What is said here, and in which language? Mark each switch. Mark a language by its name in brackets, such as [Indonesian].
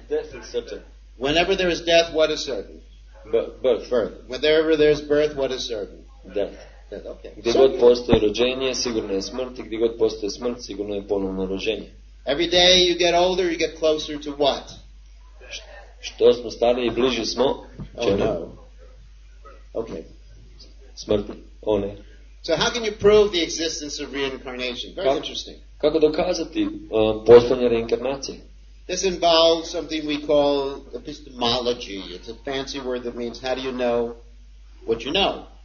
[English] Death is certain. Whenever there is death, what is certain? Birth. Whenever there is birth, what is certain? Death. Okay. [Croatian] Gdje god postoje rođenje, sigurno je smrt, i gdje god postoje smrt, sigurno je ponovno rođenje. [English] Every day you get older, you get closer to what? [Croatian] Što smo stariji, bliži smo? [English] Oh, no. Okay. [Croatian] Smrti. Oh, ne. [English] So how can you prove the existence of reincarnation? Very interesting. [Croatian] Kako dokazati postojanje reinkarnacije? [English] This involves something we call epistemology. It's a fancy word that means how do you know what you know?